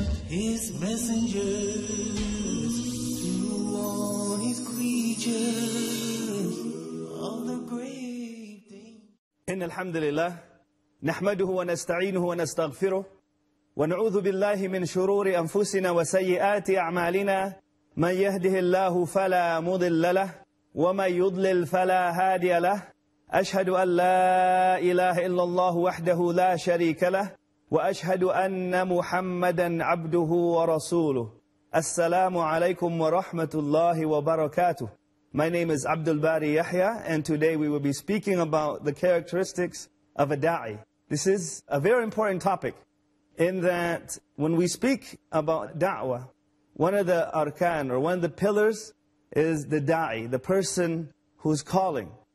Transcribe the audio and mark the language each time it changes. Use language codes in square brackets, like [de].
[en] His messengers, through all His creatures, of the great day. [ar] إن الحمد لله نحمده ونستعينه ونستغفره ونعوذ بالله من شرور أنفسنا وسيئات أعمالنا من يهده الله فلا مضل له ومن يضلل فلا هادي له أشهد أن لا إله إلا الله وحده لا شريك له وأشهد أن محمدا عبده ورسوله السلام عليكم ورحمة الله وبركاته. [en] My name is Abdul Bary Yahya, and today we will be speaking about the characteristics of a da'i. This is a very important topic, in that when we speak about da'wah, one of the arkan, or one of the pillars, is the da'i, the person who's calling.